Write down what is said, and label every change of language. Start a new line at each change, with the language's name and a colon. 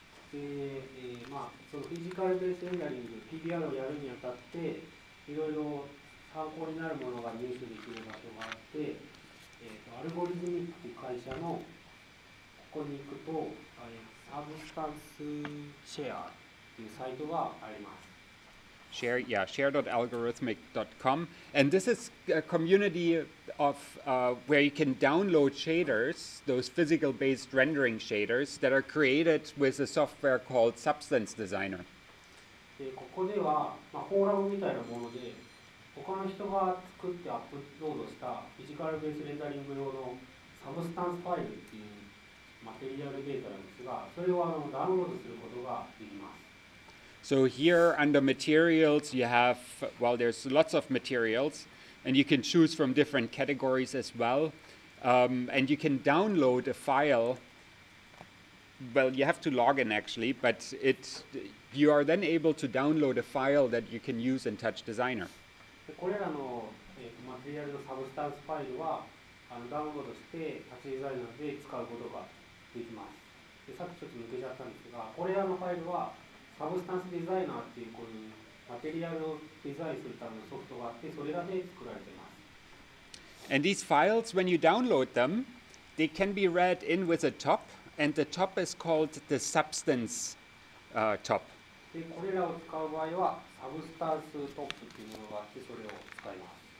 Japanese: そのフィジカルベースレンダリング、PBR をやるにあたって、いろいろ参考になるものが入手できる場所があって、アルゴリズミックという会社のここに行くと、サブスタンスシェアというサイトがあります。
English: share.algorithmic.com and this is a community of where you can download shaders, those physical based rendering shaders that are created with a software called Substance Designer.
Japanese: でここでは、まあ、フォーラムみたいなもので他の人が作ってアップロードしたフィジカルベースレンダリング用のサブスタンスファイルっていうマテリアルデータなんですがそれをダウンロードすることができます。
English: So here under materials you have, well there's lots of materials and you can choose from different categories as well. And you can download a file, well you have to log in actually, but it, you are then able to download a file that you can use in Touch Designer.
Japanese: これらの、material のサブスタンスファイルはダウンロードして Touch Designer で使うことができます。でさっきちょっと抜けちゃったんですが、これらのファイルはサブスタンスデザイナーっていうこういうマテリアルをデザインするためのソフトがあってそれらで作られています。
English: And these files, when you download them, they can be read in with a top, and the top is called the substance, top.
Japanese: で、これらを使う場合はサブスタンストップっていうものがあってそれを使います。